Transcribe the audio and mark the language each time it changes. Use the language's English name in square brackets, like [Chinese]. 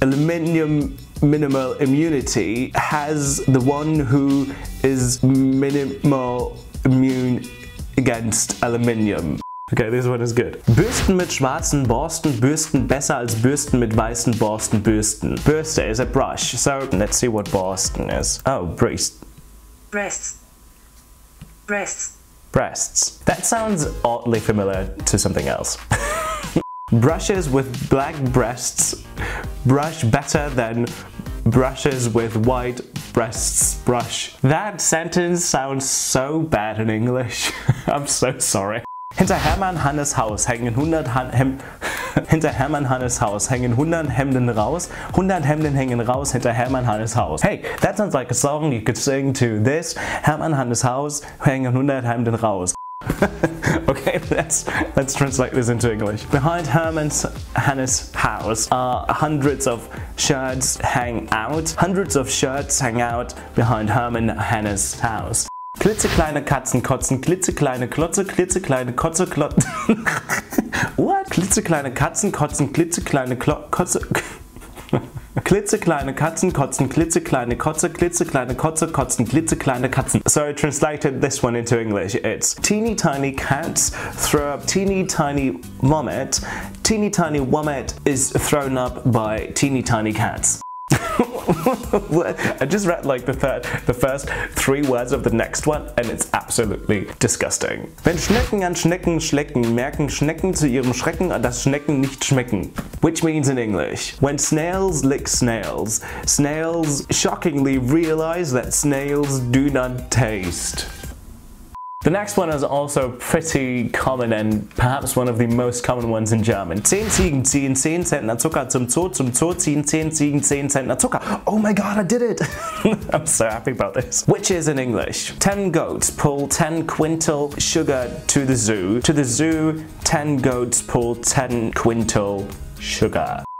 [English] Aluminium minimal immunity has the one who is minimal immune against aluminium. Okay, this one is good. [German] Bürsten mit schwarzen Borsten bürsten besser als Bürsten mit weißen Borsten bürsten. [English] Bürste is a brush, so let's see what Borsten is. Oh, breast. Breasts. Breasts. Breasts. That sounds oddly familiar to something else. Brushes with black breasts brush better than brushes with white breasts brush. That sentence sounds so bad in English. I'm so sorry. [German] Hinter Hermann Hannes Haus hängen 100 Hinter Hermann Hannes Haus hängen 100 Hemden raus. 100 Hemden hängen raus hinter Hermann Hannes Haus. [English] Hey, that sounds like a song you could sing to this. [German] Hermann Hannes Haus hängen 100 Hemden raus. [English] Okay, let's translate this into English. Behind Hannes' house are hundreds of shirts hang out. Hundreds of shirts hang out behind Hermann Hannes' house. [German] Klitzekleine Katzen kotzen, klitzekleine Klotze, klitzekleine Kotze, Klotze. What? Klitzekleine Katzen kotzen, klitzekleine Kotze. Klitzekleine Katzen kotzen, klitzekleine Kotze, klitzekleine Kotze kotzen, klitzekleine Katzen. [English] So I translated this one into English. It's teeny tiny cats throw up teeny tiny vomit. Teeny tiny vomit is thrown up by teeny tiny cats. I just read like the first three words of the next one and it's absolutely disgusting. [German] Wenn Schnecken an Schnecken schlecken, merken Schnecken zu ihrem Schrecken, dass Schnecken nicht schmecken. [English] Which means in English, when snails lick snails, snails shockingly realize that snails do not taste. The next one is also pretty common and perhaps one of the most common ones in German. [German] 10 Ziegen ziehen 10 Zentner Zucker zum Zoo ziehen 10 Ziegen 10 Zentner Zucker. [English] Oh my god, I did it! I'm so happy about this. Which is in English? 10 goats pull 10 quintal sugar to the zoo. To the zoo, 10 goats pull 10 quintal sugar.